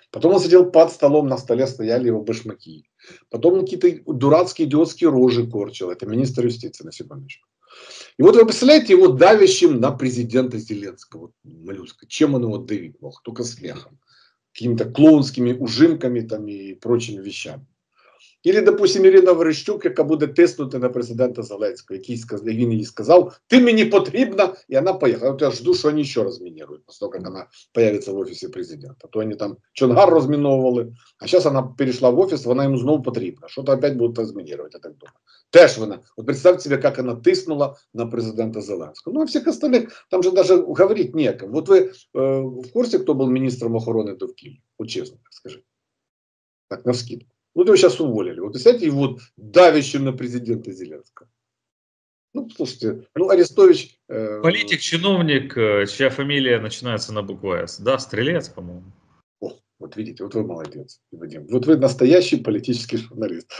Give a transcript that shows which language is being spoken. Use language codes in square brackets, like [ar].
[ru] Потом он сидел под столом, на столе стояли его башмаки. Потом какие-то дурацкие, идиотские рожи корчил. Это министр юстиции, на секундочку. И вот вы представляете его давящим на президента Зеленского, Малюска. Чем он его давить мог? Только смехом. Какими-то клоунскими ужимками там, и прочими вещами. Или, допустим, [uk] Ирина Верещук, яка буде тиснути на президента Зеленського, який сказав, він їй сказав, ти мені потрібна, і вона поїхала. От я жду, що вони ще розмінірують, після того, як вона появиться в офісі президента. То вони там Чонгар розміновували, а зараз вона перейшла в офіс, вона йому знову потрібна. Що-то опять будуть розмінірувати, я так думаю. Теж вона. От представте собі, як вона тиснула на президента Зеленського. Ну, а всіх остальних, там же навіть говорити ніяким. От ви в курсі, хто був міністром охорони довкілля? От чесно, скажіть. Так, навскидку. [ru] Ну, его сейчас уволили. Вот, представляете, его давящим на президента Зеленского. Ну, слушайте, ну, Арестович... Политик, чиновник, чья фамилия начинается на букву С. Да, Стрелец, по-моему. О, вот видите, вот вы молодец, Вадим. Вот вы настоящий политический журналист.